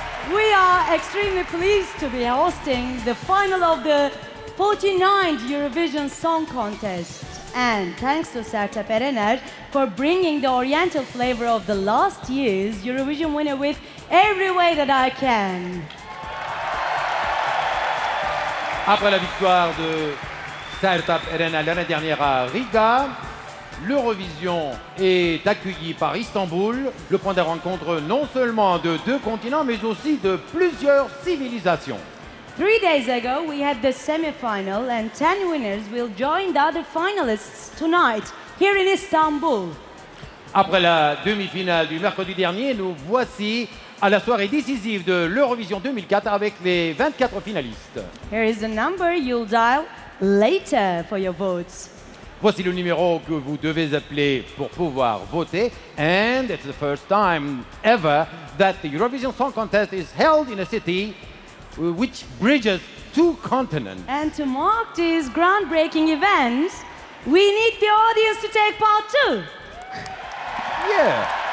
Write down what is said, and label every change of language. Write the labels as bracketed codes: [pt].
[en] We are extremely pleased to be hosting the final of the 49th Eurovision Song Contest. And thanks to Sertab Erener for bringing the oriental flavor of the last year's Eurovision winner with every way that I can. [fr] Après la victoire de Sertab Erener l'année dernière à Riga, l'Eurovision est accueillie par Istanbul, le point de rencontre non seulement de deux continents, mais aussi de plusieurs civilisations. [en] 3 days ago, we had the semi-final, and 10 winners will join the other finalists tonight, here in Istanbul. [fr] Après la demi-finale du mercredi dernier, nous voici à la soirée décisive de l'Eurovision 2004 avec les 24 finalistes. [en] Here is the number you'll dial later for your votes. [fr] Voici le numéro que vous devez appeler pour pouvoir voter. [en] And it's the first time ever that the Eurovision Song Contest is held in a city which bridges two continents. And to mark these groundbreaking events, we need the audience to take part too. Yeah.